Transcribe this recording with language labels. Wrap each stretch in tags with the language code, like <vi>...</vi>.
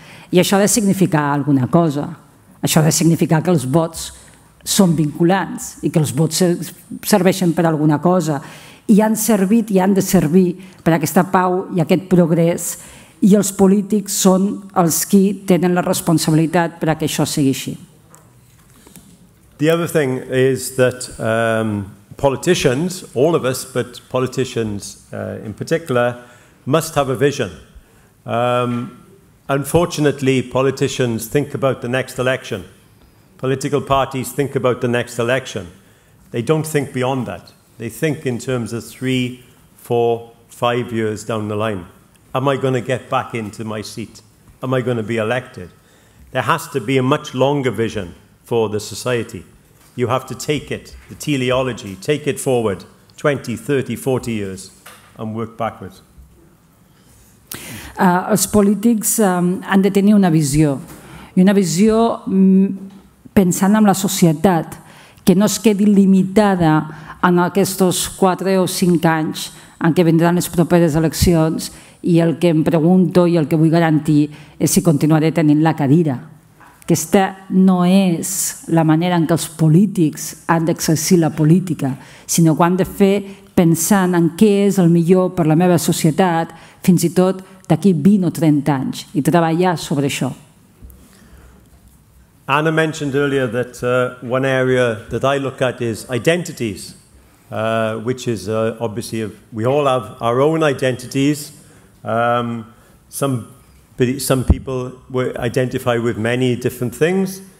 <ca>I això ha de significar alguna cosa. Això ha de significar que els vots són vinculants i que els vots serveixen per alguna cosa. I han servit i han de servir per aquesta pau i aquest progrés i els polítics són els qui tenen la responsabilitat perquè això sigui així.</ca> <en>The other thing is that politicians, all of us, but politicians in particular, must have a vision. Unfortunately, politicians think about the next election. Political parties think about the next election. They don't think beyond that. They think in terms of 3, 4, 5 years down the line. Am I going to get back into my seat? Am I going to be elected? There has to be a much longer vision for the society. You have to take it, the teleology, take it forward 20, 30, 40 years and work backwards.</en> <ca>Els polítics han de tenir una visió. I una visió pensant en la societat, que no es quedi limitada en aquests 4 o 5 anys en què vindran les properes eleccions i el que em pregunto i el que vull garantir és si continuaré tenint la cadira. Aquesta no és la manera en què els polítics han d'exercir la política, sinó que ho han de fer pensant en què és el millor per a la meva societat, fins i tot d'aquí 20 o 30 anys, i treballar sobre això.</ca> <en>Anna mentioned earlier that one area that I look at is identities, which is obviously, we all have our own identities. Some people identify with many different things.</en>